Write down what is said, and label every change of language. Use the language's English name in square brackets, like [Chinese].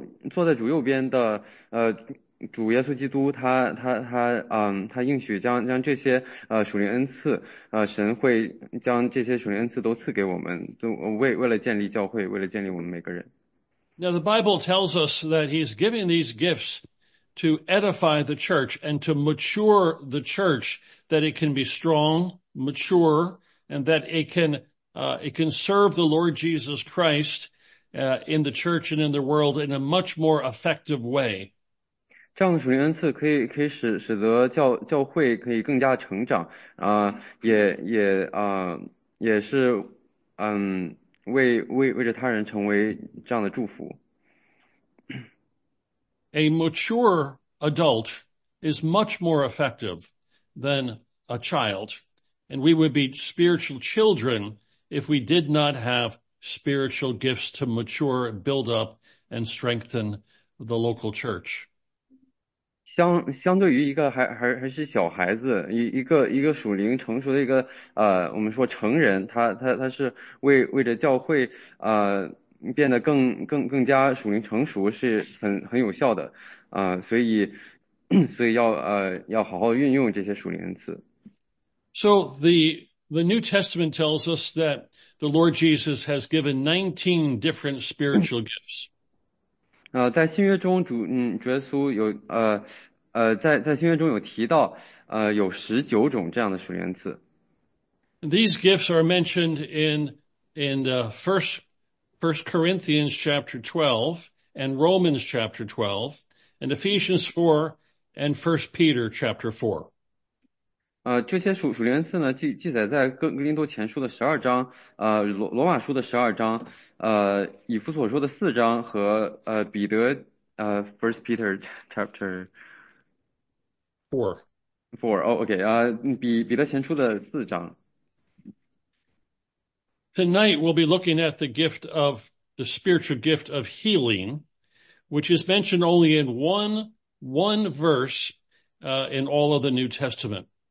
[Chinese] 坐在主右边的主耶稣基督他应许将这些属灵恩赐神会将这些属灵恩赐都赐给我们，都为了建立教会，为了建立我们每个人。 [English] Now the Bible tells us that he's giving these gifts to edify the church and to mature the church, that it can be strong, mature, and that it can serve the Lord Jesus Christ in the church and in the world in a much more effective way. [Chinese] 这样的属灵恩赐可以使得教会可以更加成长，也是为着他人成为这样的祝福。 [English] A mature adult is much more effective than a child, and we would be spiritual children if we did not have spiritual gifts to mature, build up, and strengthen the local church. [Chinese] 相对于一个还是小孩子，一个属灵成熟的一个我们说成人，他是为着教会变得更加属灵成熟是很有效的，所以要好好运用这些属灵恩赐。 [English] So the New Testament tells us that the Lord Jesus has given 19 different spiritual gifts. [Chinese] 在新约中主耶稣有在新约中有提到有19种这样的属灵恩赐。 [English] These gifts are mentioned in First Corinthians chapter 12 and Romans chapter 12 and Ephesians 4 and First Peter chapter 4. [Chinese] 这些属灵字呢，记载在哥林多前书的十二章，罗马书的十二章，以弗所说的四章和彼得前书的四章。 [English] Tonight we'll be looking at the spiritual gift of healing, which is mentioned only in one verse, in all of the New Testament.